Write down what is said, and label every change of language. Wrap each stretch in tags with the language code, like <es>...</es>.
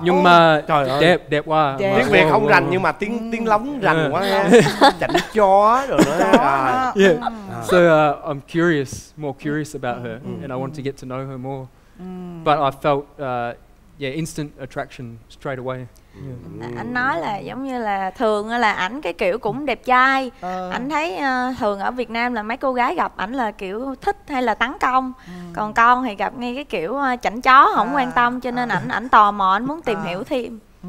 <vi>nhưng mà trời ơi đẹp quá đẹp. Tiếng Việt không rành nhưng mà tiếng lóng rành quá chảnh chó rồi đó.</vi> <en>So I'm more curious about her and I want to get to know her more. But I felt instant attraction straight away.</en> <vi>Anh nói là giống như là thường là ảnh cái kiểu cũng đẹp trai. Ảnh thấy thường ở Việt Nam là mấy cô gái gặp ảnh là kiểu thích hay là tấn công. Còn con thì gặp ngay cái kiểu chảnh chó không quan tâm, cho nên ảnh tò mò, ảnh muốn tìm hiểu thêm.</vi>